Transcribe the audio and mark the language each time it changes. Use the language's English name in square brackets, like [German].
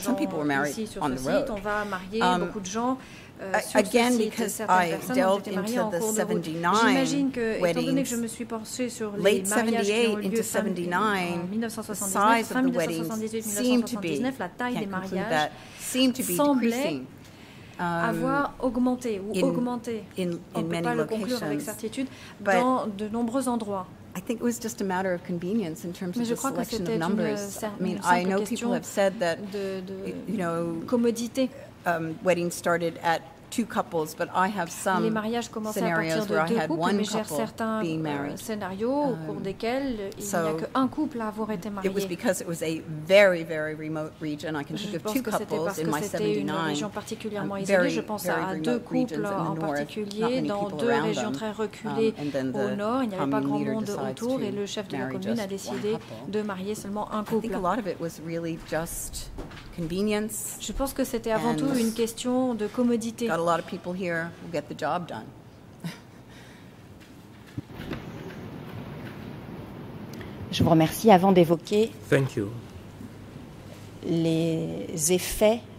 [English] Some people were married on the road. Again, because I delved into the 79 weddings, late 78 into 79, the size of the weddings seemed to be, increasing. [French] Avoir augmenté ou augmenté, on ne peut pas le conclure avec certitude, dans de nombreux endroits. [English] I think it was just a matter of convenience in terms [French] mais [English] of the selection of numbers. [French] Une [English] I mean, I know people have said that, you know, [French] commodité. [English] Weddings started at two couples, but I have some [French] les mariages commençaient à partir de deux couples, mais j'ai certains scénarios au cours desquels il n'y a qu'un couple à avoir été marié. [English] It was because it was a very, very remote region. I can think of two couples in my 79. [French] Je pense que c'était une région particulièrement isolée. Je pense à deux couples en particulier dans deux régions très reculées au nord. Il n'y avait pas grand monde autour et le chef de la commune a décidé de marier seulement un couple. [English] I think a lot of it was really just convenience. [French] Je pense que c'était avant tout une question de commodité. [English] Got a lot of people here. We'll get the job done. [French] Je vous remercie. Avant d'évoquer [English] thank you [French] les effets